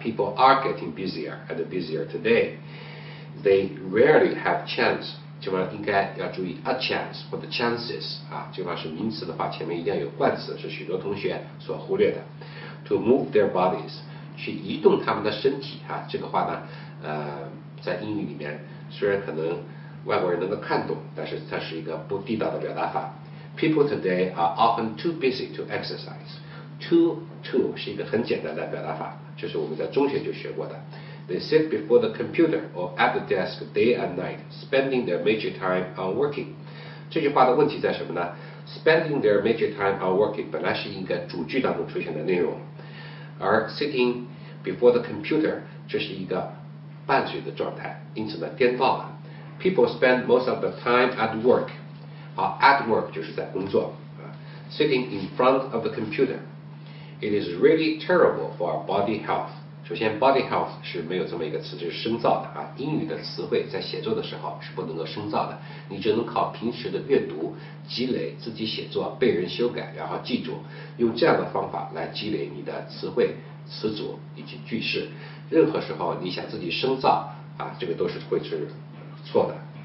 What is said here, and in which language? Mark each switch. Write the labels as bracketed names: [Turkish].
[English] People are getting busier and busier today. They rarely have chance， [Chinese] 这边应该要注意 [English] a chance [Chinese] 或者 chances 啊，这边是名词的话，前面一定要有冠词，是许多同学所忽略的。 [English] To move their bodies， [Chinese] 去移动他们的身体啊，这个话呢，在英语里面。虽然可能外国人能够看懂，但是它是一个不地道的表达法。 [English] People today are often too busy to exercise. [Chinese] Too 是一个很简单的表达法，就是我们在中学就学过的。 [English] They sit before the computer or at the desk day and night, spending their major time on working. [Chinese] 这句话的问题在什么呢？ [English] Spending their major time on working [Chinese] 本来是一个主句当中出现的内容，而 [English] sitting before the computer [Chinese] 这是一个伴随的状态，因此呢颠倒了。 [English] People spend most of the time at work， [Chinese] 好 [English] at work [Chinese] 就是在工作， [English] sitting in front of the computer， It is really terrible for our body health. [Chinese] 首先 [English] body health [Chinese] 是没有这么一个词，这是生造的啊。英语的词汇在写作的时候是不能够生造的，你只能靠平时的阅读积累，自己写作被人修改然后记住，用这样的方法来积累你的词汇词组以及句式。任何时候你想自己生造啊，这个都是会是错的。